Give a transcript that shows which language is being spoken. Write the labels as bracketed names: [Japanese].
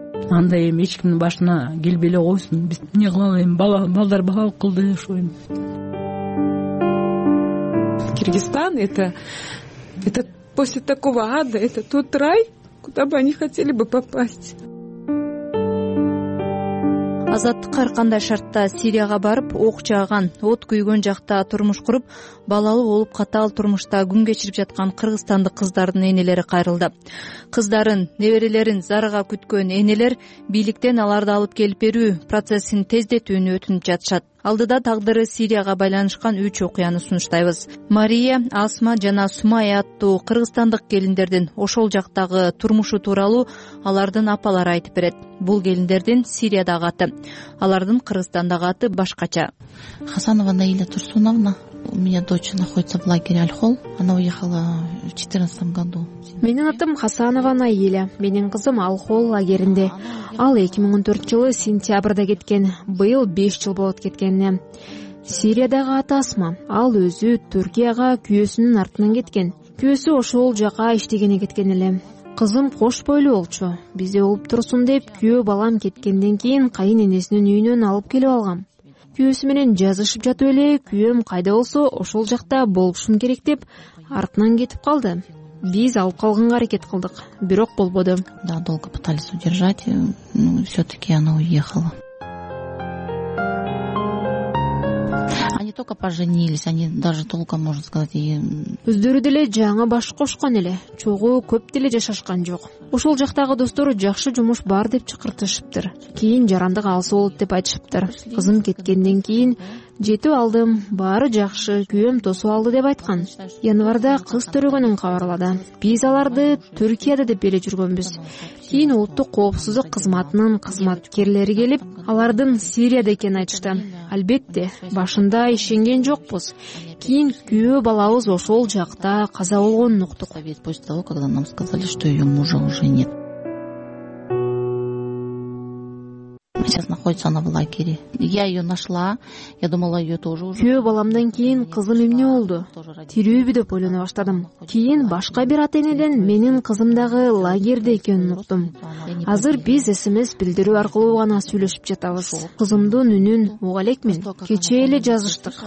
[Kyrgyz] Андай эми эч кимдин башына келбей эле койсун. Биз эмне кылалы эми? Балдар балалык кылды ушу эми. [Russian] Кыргызстан это после такого ада, это тот рай, куда бы они хотели бы попасть. [Kyrgyz] Азаттыкка ар кандай шартта Сирияга барып, ок жагган, от күйгөн жакта турмуш куруп, балалы болуп катаал турмушта күн кечирип жаткан кыргызстандык кыздардын энелери кайрылды. Кыздарын, неберелерин зарыга күткөн энелер бийликтен аларды алып келип берүү процессин тездетүүнү өтүнүп жатышат. Алдыда тагдыры Сирияга байланышкан үч окуяны сунуштайбыз. Мария, Асма жана Сумай аттуу кыргызстандык келиндердин ошол жактагы турмушу тууралуу алардын апалары айтып берет. Бул келиндердин Сириядагы аты. Алардын Кыргызстандагы аты башкача. [Russian] Хасанова Наиля Турсуновна. У меня дочь находится в лагере Альхол. Она уехала в 14 году. [Kyrgyz] Менин атым Хасанова Наиля. Менин кызым Альхол лагеринде. Ал 2014 жылы сентябрда кеткен. Быйыл 5 жыл болот кеткенине. Сириядагы атасы. Ал өзү Түркияга күйөсүнүн артынан кеткен. Күйөсү ошол жака иштегенге кеткен эле. Кызым кош бойлуу болчу. Бизде болуп турсун деп күйөө балам кеткенден кийин кайын энесинин үйүнөн алып келип алган. Күйөсү менен жазышып жатып эле күйөөм кайда болсо ошол жакта болушум керек деп артынан кетип калды. Биз алып калганга аракет кылдык, бирок болбоду. [Russian] Да, долго пытались удержать, но всё-таки она уехала. Они только поженились, они даже толком, можно сказать, и... [Kyrgyz] Өздөрү деле жаңы баш кошкон эле, чогуу көп деле жашашкан жок. Ошол жактагы достору жакшы жумуш бар деп чакыртышыптыр. Кийин жарандык алсы болот деп айтышыптыр. Кызым кеткенден кийин жетип алдым, баары жакшы, күйөм тосуп алды деп айткан. Январда кыз төрөгөнүн кабарлады. Биз аларды Түркияда деп беле жүргөнбүз. Кийин улуттук коопсуздук кызматынын кызматкерлери келип, алардын Сирияда экенин айтышты. Албетте, башында ишенген жокпуз. Кийин күйөө балабыз ошол жакта каза болгонун уктук. [Russian] После того, когда нам сказали, что её мужа уже нет. Сейчас находится она в лагере. Я её нашла. Я думала, её тоже уже. [Kyrgyz] Күйөө баламдан кийин кызым эмне болду? Тирүүбү деп ойлоно баштадым. Кийин башка бир ата-энеден менин кызым дагы лагерде экенин уктум. Азыр биз SMS билдирүү аркылуу гана сүйлөшүп жатабыз. Кызымдын үнүн уга элекмин. Кечээ эле жазыштык.